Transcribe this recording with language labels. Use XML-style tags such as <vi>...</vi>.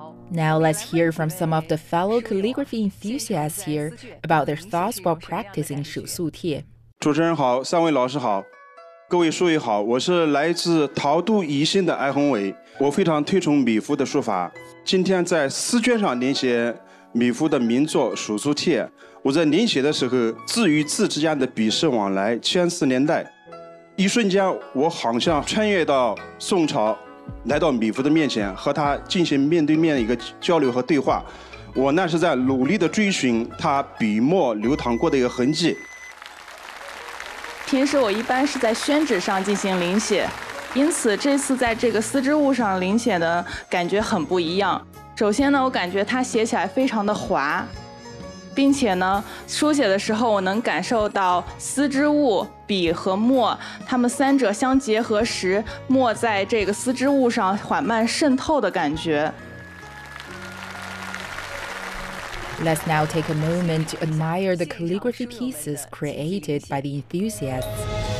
<en>Now let's hear from some of the fellow calligraphy enthusiasts here about their thoughts while practicing Shu Su Tie.</en> <zh>主持人好，三位老师好，各位书友好，我是来自陶都宜兴的艾宏伟，我非常推崇米芾的书法。今天在试卷上临写米芾的名作《Shu Su Tie》，我在临写的时候，字与字之间的笔势往来，千丝连带，一瞬间我好像穿越到宋朝。来到米芾的面前，和他进行面对面的一个交流和对话，我那是在努力地追寻他笔墨流淌过的一个痕迹。平时我一般是在宣纸上进行临写，因此这次在这个丝织物上临写的感觉很不一样。首先呢，我感觉它写起来非常的滑，并且呢，书写的时候我能感受到丝织物、笔和墨，它们三者相结合时，墨在这个丝织物上缓慢渗透的感觉。</zh> <en>Let's now take a moment to admire the calligraphy pieces created by the enthusiasts.</en>